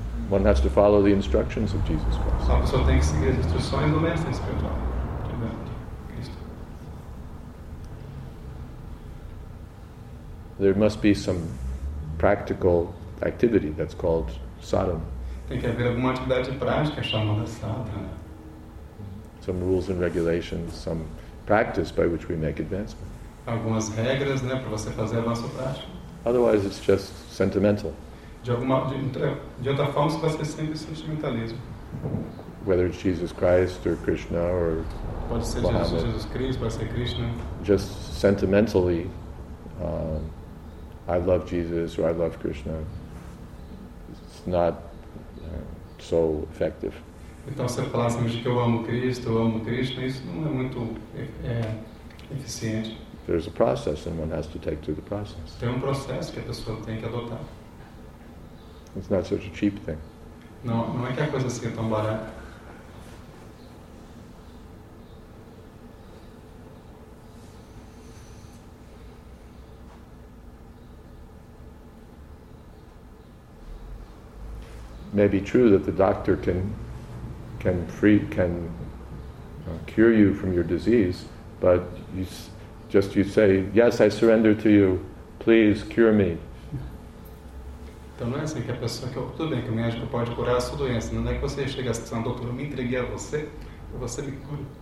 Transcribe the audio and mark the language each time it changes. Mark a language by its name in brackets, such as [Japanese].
[English] One has to follow the instructions of Jesus Christ. [Portuguese] A pessoa tem que seguir as instruções do mestre espiritual. [English] There must be some practical activity that's called sadhan. [Portuguese] Tem que haver alguma atividade prática chamada sadhana. [English] Some rules and regulations, some practice by which we make advancement. [Portuguese] Algumas regras, né, para você fazer avanço prático. [English] Otherwise, it's just sentimental. [Portuguese] De outra forma, isso vai ser sempre sentimentalismo. [English] Whether it's Jesus Christ or Krishna or [Portuguese] pode ser [English] Muhammad. [Portuguese] Jesus Cristo, pode ser Krishna. [English] Just sentimentally, I love Jesus or I love Krishna. It's not so effective. [Portuguese] Então, se eu falar assim, que eu amo Cristo, eu amo Krishna, isso não é muito eficiente. [English] There's a process and one has to take through the process. [Portuguese] Tem um processo que a pessoa tem que adotar. [English] It's not such a cheap thing. [Portuguese] Não é que a coisa seja tão barata. [English] May be true that the doctor can cure you from your disease, but you say, yes, I surrender to you, please cure me. [Portuguese] Então não é assim que a pessoa que tudo bem, que o médico pode curar a sua doença. Não é que você chega assim, doutor, eu me entreguei a você, você me cura.